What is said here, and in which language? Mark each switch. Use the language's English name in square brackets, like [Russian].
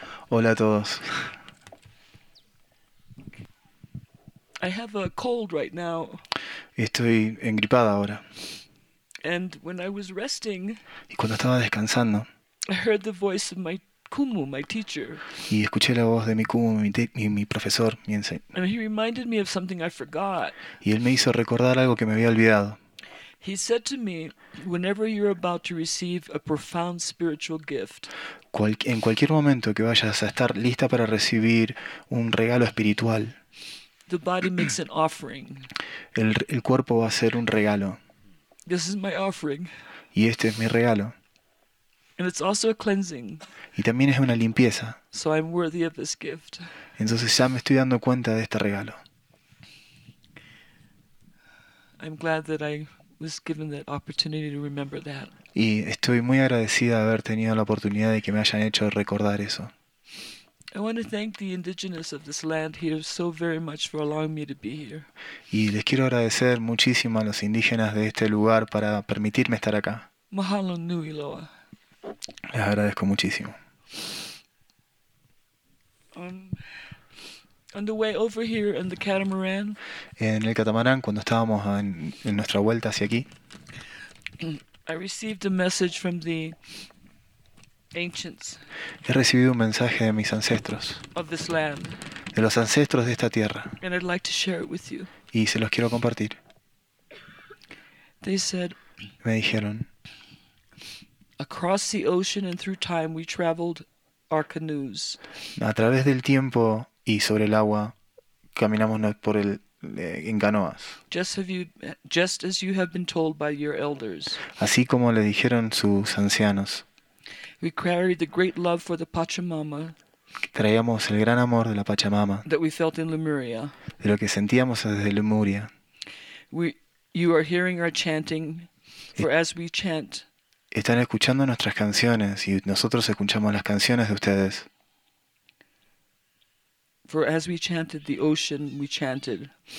[Spanish] Hola a todos. [English] I have a cold right now. [Spanish] Estoy engripada ahora. [English] And when I was resting, [Spanish] y cuando estaba descansando, [English] I heard the voice of my kumu, my teacher. [Spanish] Y escuché la voz de mi kumu, mi profesor, mi enseñante. [English] And he reminded me of something I forgot. [Spanish] Y él me hizo recordar algo que me había olvidado. [English] He said to me, whenever you're about to receive a profound spiritual gift, [Spanish] en cualquier momento que vayas a estar lista para recibir un regalo espiritual, [English] the body makes an offering. [Spanish] El cuerpo va a ser un regalo. [English] This is my offering. [Spanish] Y este es mi regalo. [English] And it's also a cleansing. [Spanish] Y también es una limpieza. [English] So I'm worthy of this gift. [Spanish] Entonces ya me estoy dando cuenta de este regalo. [English] I'm glad that I was given that opportunity to remember that. [Spanish] Y estoy muy agradecida de haber tenido la oportunidad de que me hayan hecho recordar eso. [English] I want to thank the indigenous of this land here so very much for allowing me to be here. [Spanish] Y les quiero agradecer muchísimo a los indígenas de este lugar para permitirme estar acá. [Hawaiian] Mahalo nui loa. [Spanish] Les agradezco muchísimo. [English] On the way over here in the catamaran. [Spanish] En el catamarán cuando estábamos en nuestra vuelta hacia aquí. [English] I received a message from the ancients. [Spanish] He recibido un mensaje de mis ancestros. [English] Of this land. [Spanish] De los ancestros de esta tierra. [English] And I'd like to share it with you. [Spanish] Y se los quiero compartir. [English] They said. [Spanish] Me dijeron. [English] Across the ocean and through time, we traveled our canoes. [Spanish] A través del tiempo y sobre el agua, caminamos por el en canoas. [English] Just as you have been told by your elders. [Spanish] Así como le dijeron sus ancianos. [English] We carried the great love for the Pachamama. [Spanish] Traíamos el gran amor de la Pachamama. [English] That we felt in Lemuria. [Spanish] De lo que sentíamos desde Lemuria. [English] You are hearing our chanting, for as we chant. [Spanish] Están escuchando nuestras canciones y nosotros escuchamos las canciones de ustedes. [English] For as we chanted the ocean, we chanted.